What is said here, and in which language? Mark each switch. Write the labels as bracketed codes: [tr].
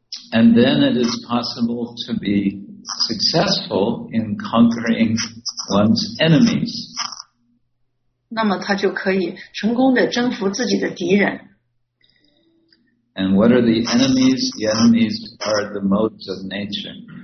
[en] And then it is possible to be successful in conquering one's enemies. [zh] 那么他就可以成功地征服自己的敌人。 [en] And what are the enemies? The enemies are the modes of nature.